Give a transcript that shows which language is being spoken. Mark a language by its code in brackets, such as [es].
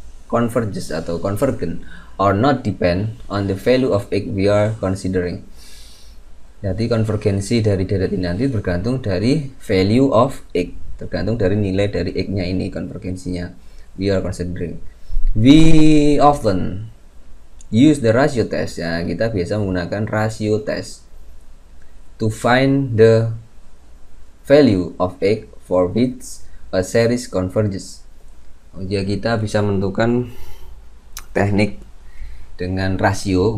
[en] converges atau convergent or not depend on the value of x we are considering. [id] Jadi konvergensi dari deret ini nanti tergantung dari [en] value of x, [id] tergantung dari nilai dari x-nya ini konvergensinya [en] we are considering. We often use the ratio test, [id] ya, kita biasa menggunakan ratio test [en] to find the value of x for which a series converges. [id] Oh ya, kita bisa menentukan teknik dengan rasio.